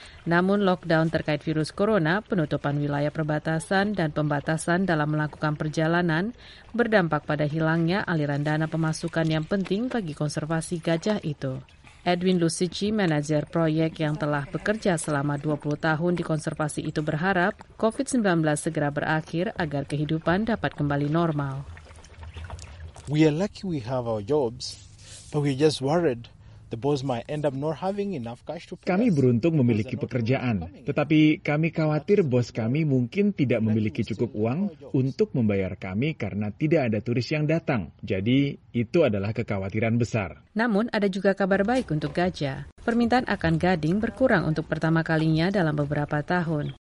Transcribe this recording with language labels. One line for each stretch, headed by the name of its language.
Indonesian: Namun lockdown terkait virus corona, penutupan wilayah perbatasan dan pembatasan dalam melakukan perjalanan berdampak pada hilangnya aliran dana pemasukan yang penting bagi konservasi gajah itu. Edwin Lusici, manajer proyek yang telah bekerja selama 20 tahun di konservasi itu berharap COVID-19 segera berakhir agar kehidupan dapat kembali normal.
English: We are lucky we have our jobs. We just worried the boss might end up not having enough cash to pay.
Indonesian: Kami beruntung memiliki pekerjaan, tetapi kami khawatir bos kami mungkin tidak memiliki cukup uang untuk membayar kami karena tidak ada turis yang datang. Jadi, itu adalah kekhawatiran besar. Namun, ada juga kabar baik untuk gajah. Permintaan akan gading berkurang untuk pertama kalinya dalam beberapa tahun.